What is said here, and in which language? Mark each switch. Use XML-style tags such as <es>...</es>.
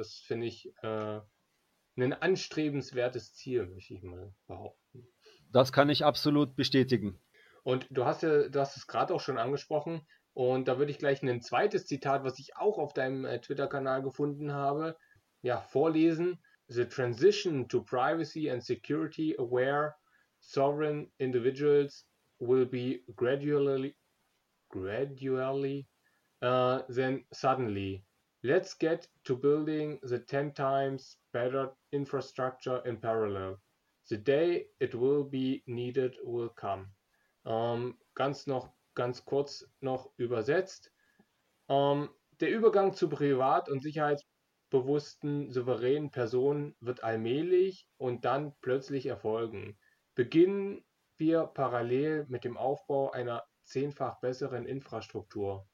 <de>Das finde ich ein anstrebenswertes Ziel, möchte ich mal behaupten. Das kann ich absolut bestätigen. Und du hast es gerade auch schon angesprochen. Und da würde ich gleich ein zweites Zitat, was ich auch auf deinem Twitter-Kanal gefunden habe, ja, vorlesen.</de> <en>The transition to privacy and security aware sovereign individuals will be gradually, then suddenly. Let's get to building the 10 times better infrastructure in parallel. The day it will be needed will come.</en> <de>Ganz kurz noch übersetzt. Der Übergang zu privat- und sicherheitsbewussten, souveränen Personen wird allmählich und dann plötzlich erfolgen. Beginnen wir parallel mit dem Aufbau einer zehnfach besseren Infrastruktur.</de>